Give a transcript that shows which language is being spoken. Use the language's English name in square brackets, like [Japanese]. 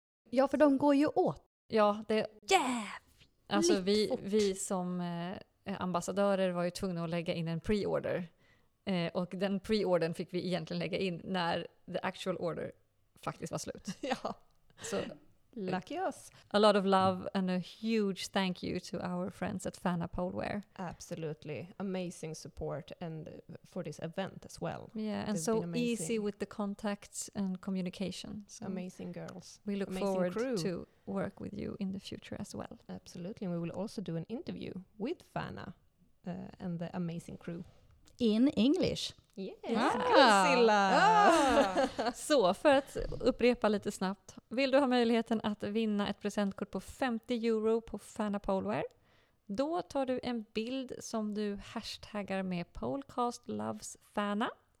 [Swedish] Ja, för de går ju åt. Ja, det... Jävligt alltså vi som ambassadörer var ju tvungna att lägga in en pre-order. Och den pre-ordern fick vi egentligen lägga in när [English] the actual order [Swedish] faktiskt var slut. Ja, så... [English] Lucky us. A lot of love and a huge thank you to our friends at Fana Poleware. Absolutely. Amazing support and for this event as well. Yeah, and so easy with the contacts and communication. So amazing girls. We look amazing forward crew. To work with you in the future as well. Absolutely. And we will also do an interview with Fana and the amazing crew. In English. Yes. Ah. [Swedish] Så för att upprepa lite snabbt. Vill du ha möjligheten att vinna ett presentkort på 50 euro på Fana Poleware? Då tar du en bild som du hashtaggar med Polecast Loves Fana.